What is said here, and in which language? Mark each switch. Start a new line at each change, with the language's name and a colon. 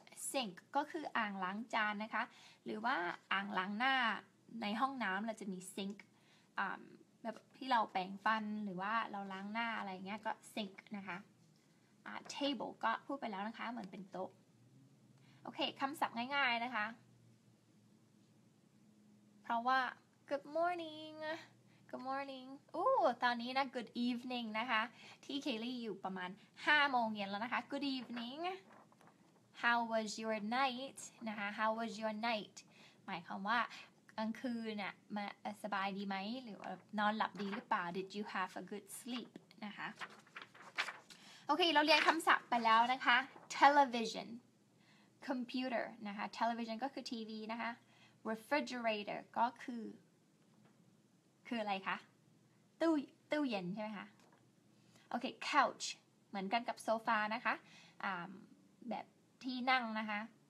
Thai: sink ก็คืออ่างล้างจานนะคะหรือว่าอ่างล้างหน้าในห้องน้ำเราจะมี sink แบบที่เราแปรงฟันหรือว่าเราล้างหน้าอะไรเงี้ยก็ sink นะคะ table ก็พูดไปแล้วนะคะเหมือนเป็นโต๊ะโอเคคำศัพท์ง่ายๆนะคะเพราะว่า
English: good morningGood morning.
Thai: ตอนนี้นะ
English: Good evening
Thai: นะคะที่เคลลี่อยู่ประมาณ5โมงเย็นแล้วนะคะ
English: Good evening. How was your night? นะคะ How was your night?
Thai: หมายความว่า างคืนอ่ะมาสบายดีไหมหรือว่านอนหลับดีหรือเปล่า
English: Did you have a good sleep
Thai: นะคะโอเคเราเรียนคำศัพท์ไปแล้วนะคะ Television Computer นะคะ Television ก็คือทีวีนะคะ Refrigerator ก็คืออะไรคะตู้เย็นใช่ไหมคะโอเค Couch เหมือนกันกับโซฟานะคะแบบที่นั่งนะคะ